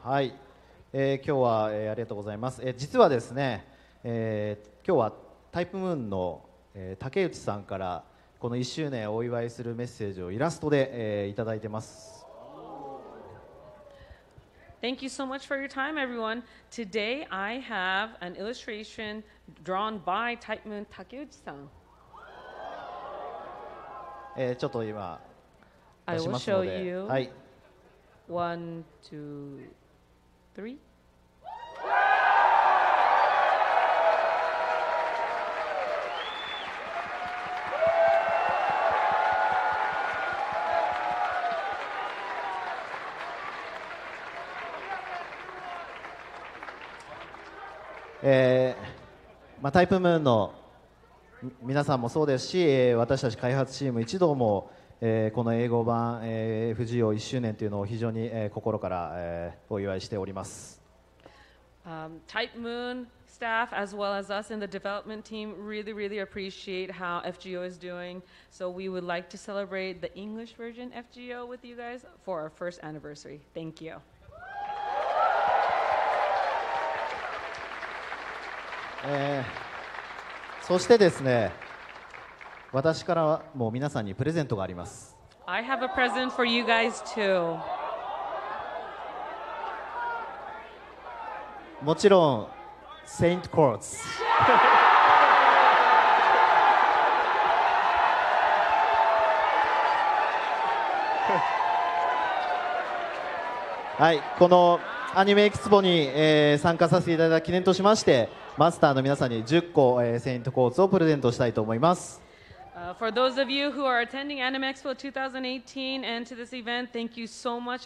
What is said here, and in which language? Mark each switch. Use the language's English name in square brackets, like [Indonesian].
[Japanese] はい、今日は、ありがとうございます。実はですね、今日はタイプムーンの、竹内さんからこの1周年お祝いするメッセージをイラストで、いただいてます。 [English] Thank you so much for your time, everyone. Today, I have an illustration drawn by Type Moon Takeuchi-san. [Japanese] ちょっと今、出しますので。 [English] I will show you. [Japanese] はい。 [English] One, two, three. [Japanese] まあ、タイプムーンの皆さんもそうですし、私たち開発チーム一同も、この英語版、FGO1 周年というのを非常に、心から、お祝いしております。 [English] Type Moon staff as well as us in the development team really really appreciate how FGO is doing. So we would like to celebrate the English version FGO with you guys for our first anniversary. Thank you. [Japanese] そしてですね、私からはもう皆さんにプレゼントがあります。 [English] I have a present for you guys too. [Japanese] もちろん、セイントコーツ。はい、このアニメエキスポに、参加させていただいた記念としまして、マスターの皆さんに10個、セイントコーツをプレゼントしたいと思います。 [English] For those of you who are attending Anime Expo 2018 and to this event, thank you so much.